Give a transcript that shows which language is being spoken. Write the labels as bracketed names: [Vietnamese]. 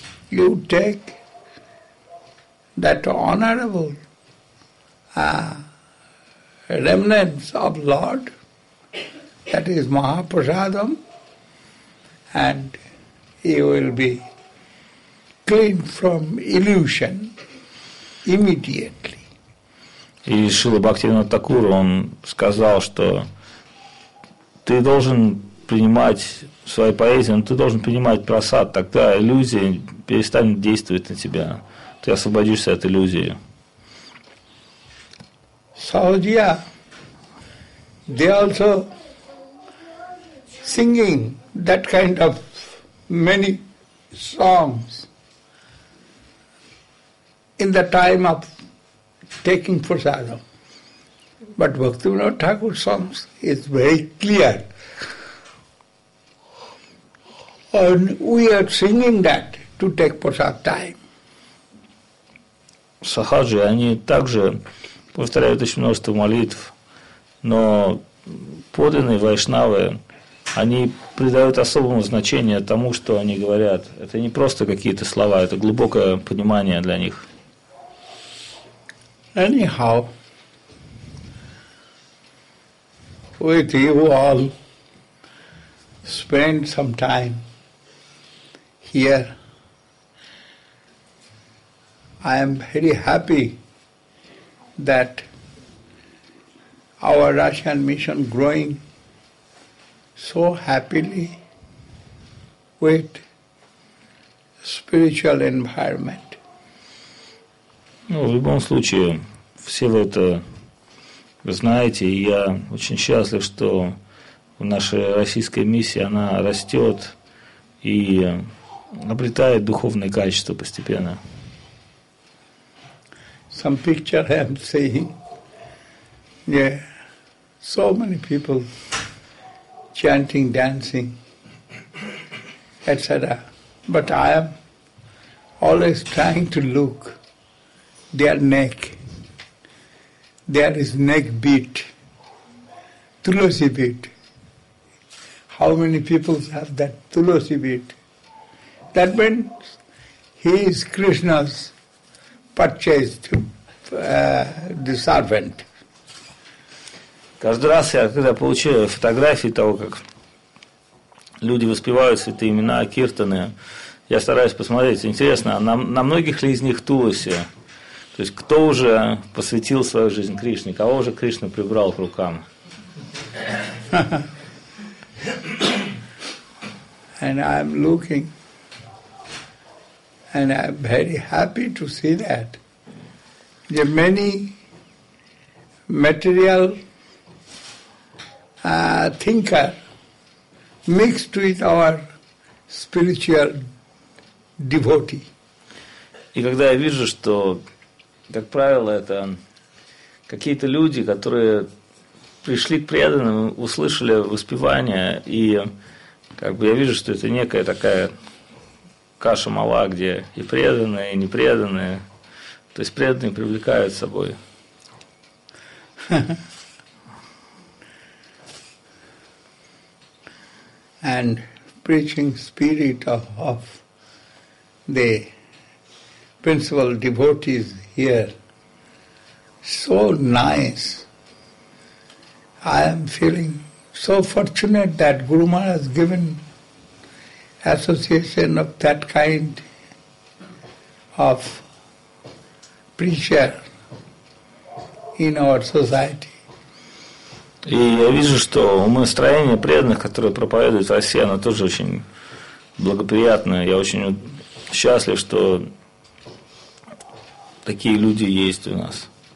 [English] You take that honorable remnants of Lord, that is Mahaprasadam, and you will be clean from illusion immediately. [Russian] И Шрила Бхактивинода Такура, он сказал, что ты должен принимать свои поэзии, но ты должен принимать просад, тогда иллюзия перестанет действовать на тебя. Ты освободишься от иллюзии. [English] Саудия, they also singing that kind of many songs in the time of taking prasadam. But Bhaktivinoda Thakur's songs is very clear. And we are singing that to take prasad time. [Russian] сахаджи, они также повторяют очень множество молитв, но подлинные вайшнавы, они придают особому значение тому, что они говорят. Это не просто какие-то слова, это глубокое понимание для них. [English] Anyhow, with you all, spend some time here. I am very happy that our Russian mission growing so happily with spiritual environment. [Russian] Ну, в любом случае, все вы это знаете, и я очень счастлив, что наша российская миссия, она растет и обретает духовные качества постепенно. [English] Some picture I am seeing. Yeah. So many people chanting, dancing, etc. But I am always trying to look their neck. There is neck beat, Tulasi beat. How many people have that Tulasi beat? That means he is Krishna's purchased the servant. [Russian] Каждый раз я, когда получаю фотографии того, как люди воспевают святые имена, киртаны, я стараюсь посмотреть. Интересно, на многих ли из них Туласи? То есть, кто уже посвятил свою жизнь Кришне? Кого уже Кришна прибрал к рукам? [English] And I'm looking, and I'm very happy to see that. The many material thinker mixed with our spiritual devotee. [Russian] И когда я вижу, что, как правило, это какие-то люди, которые пришли к преданным, услышали воспевание, и как бы я вижу, что это некая такая каша мала, где и преданные, и непреданные. То есть преданные привлекают с собой. [English] And preaching spirit of the principal devotees here. So nice. I am feeling so fortunate that Guru Maharaj has given association of that kind of preacher in our society. [Russian] И я вижу, что умонастроение преданных, которые проповедуют в России, оно тоже очень благоприятное. Я очень счастлив, что такие люди есть у нас.